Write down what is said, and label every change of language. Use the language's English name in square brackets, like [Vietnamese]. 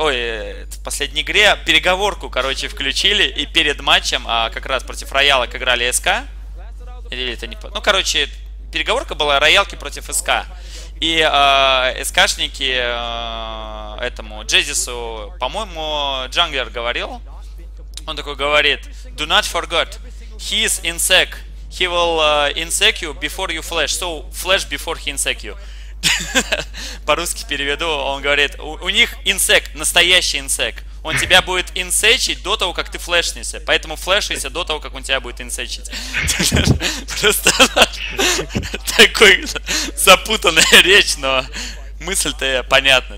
[Russian] Ой, в последней игре переговорку, короче, включили. И перед матчем, как раз против Роялок играли СК. Или это не... Ну, короче, переговорка была Роялки против СК. И СКшники этому Джезису, по-моему, джанглер говорил. Он такой говорит: [English] do not forget, he is Insek. He will insec you before you flash. So, flash before he insec you. [Russian] По-русски переведу, он говорит, у них инсек, настоящий инсек. Он тебя будет инсечить до того, как ты флешнешься. Поэтому флешишься до того, как он тебя будет инсечить. Просто такой запутанная речь, но мысль-то понятна.